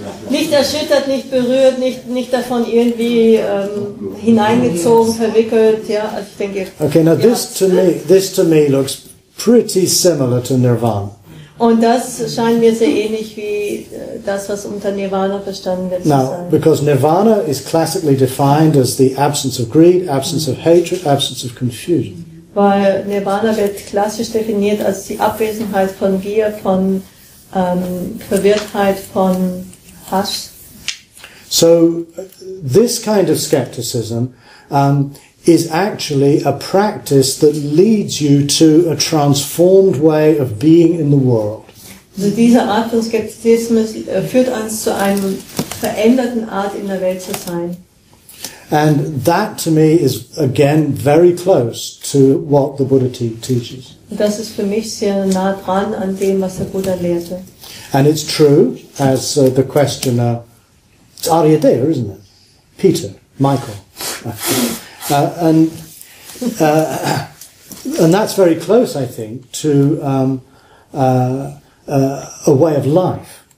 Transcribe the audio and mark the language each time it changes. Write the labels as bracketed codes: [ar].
[de] Nicht erschüttert, nicht berührt, nicht davon irgendwie hineingezogen, verwickelt. Ja, ich denke. [en] Okay, now this to me looks pretty similar to Nirvana. [de] Und das scheint mir sehr ähnlich wie das, was unter Nirvana verstanden wird. [en] Now, because Nirvana is classically defined as the absence of greed, absence of hatred, absence of confusion. [de] Weil Nirvana wird klassisch definiert als die Abwesenheit von Gier, von Verwirrtheit, von Hass. [en] So, this kind of skepticism is actually a practice that leads you to a transformed way of being in the world. [de] Also diese Art von Skeptizismus führt uns zu einer veränderten Art in der Welt zu sein. [en] And that to me is again very close to what the Buddha teaches. [de] Das ist für mich sehr nah dran an dem, was der Buddha lehrte. [en] And it's true, as the questioner, it's Aryadeva, isn't it? Peter, Michael. And that's very close, I think, to a way of life.